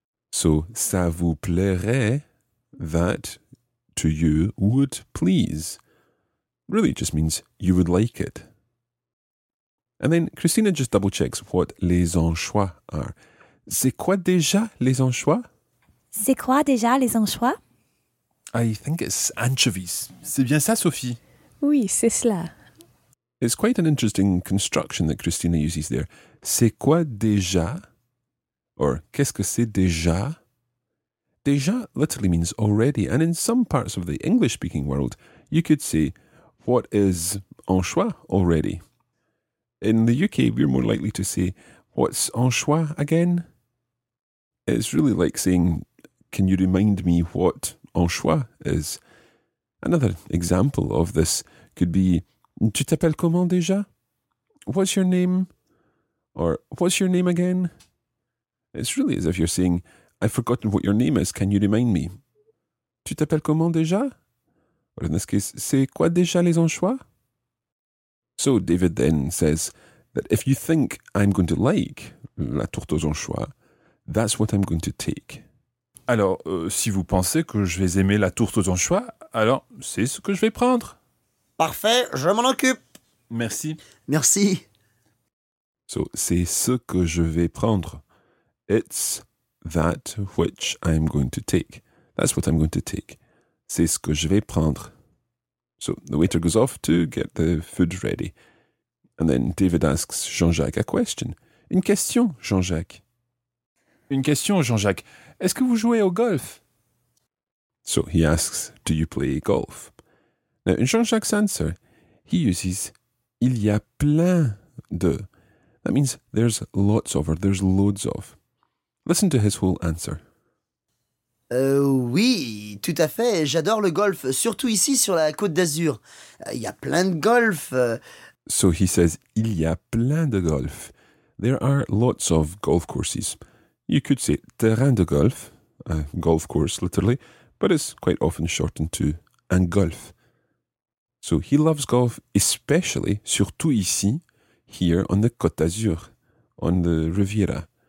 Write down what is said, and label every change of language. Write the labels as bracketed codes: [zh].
[en] So, [fr] ça vous plairait, [en] that to you would please. Really just means you would like it. And then Christina just double checks what les anchois are. [fr] C'est quoi déjà les anchois? C'est quoi déjà les anchois? [en] I think it's anchovies. [fr] C'est bien ça, [en] Sophie? [fr] Oui, c'est cela. [en] It's quite an interesting construction that Christina uses there. [fr] C'est quoi déjà? Or, qu'est-ce que c'est déjà? [en] Déjà literally means already, and in some parts of the English-speaking world, you could say, what is anchois already? In the UK, we're more likely to say, what's anchois again? It's really like saying, can you remind me what anchois is? Another example of this could be, [fr] tu t'appelles comment déjà? [en] What's your name? Or, what's your name again? It's really as if you're saying, I've forgotten what your name is, can you remind me? [fr] Tu t'appelles comment déjà? [en] Or in this case, [fr] c'est quoi déjà les anchois? [en] So David then says that if you think I'm going to like la tourte aux anchois, that's what I'm going to take. [fr] Alors, si vous pensez que je vais aimer la tourte aux anchois, alors c'est ce que je vais prendre. Parfait, je m'en occupe. Merci. Merci. So, c'est ce que je vais prendre. [en] It's that which I'm going to take. That's what I'm going to take. [fr] C'est ce que je vais prendre. [en] So, the waiter goes off to get the food ready. And then David asks Jean-Jacques a question. [fr] Une question, Jean-Jacques. Une question, Jean-Jacques. Est-ce que vous jouez au golf? [en] So he asks, do you play golf? Now, in Jean-Jacques' answer, he uses [fr] il y a plein de. [en] That means there's lots of or there's loads of. Listen to his whole answer. [fr] Oui, tout à fait. J'adore le golf, surtout ici sur la Côte d'Azur. Il y a plein de golf. [en] So he says [fr] il y a plein de golf. [en] There are lots of golf courses. You could say [fr] terrain de golf, [en] a golf course literally, but it's quite often shortened to un golf. So he loves golf, especially, [fr] surtout ici, [en] here on the Côte d'Azur, on the Riviera.